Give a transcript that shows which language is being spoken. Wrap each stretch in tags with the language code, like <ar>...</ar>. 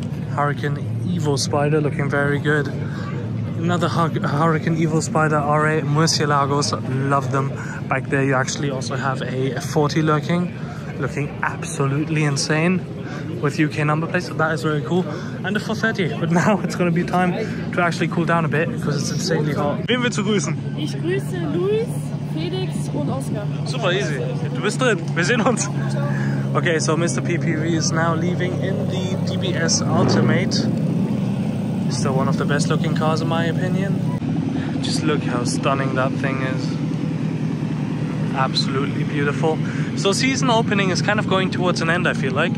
<en>Hurricane Evo Spider looking very good. Another Hurricane Evo Spider RA Murcielagos. Love them. Back there, you actually also have a F40 lurking. Looking absolutely insane with UK number plates, so that is very cool. And the 430, but now it's going to be time to actually cool down a bit because it's insanely hot.</en> <de>Wen wir zu grüßen? Ich grüße Luis, Felix und Oscar.</de> <en>Super easy.</en> <de>Du bist drin. Wir sehen uns.</de> <en>Okay, so Mr.PPOV is now leaving in the DBS Ultimate. Still one of the best looking cars in my opinion. Just look how stunning that thing is. Absolutely beautiful. So season opening is kind of going towards an end, I feel like.</en>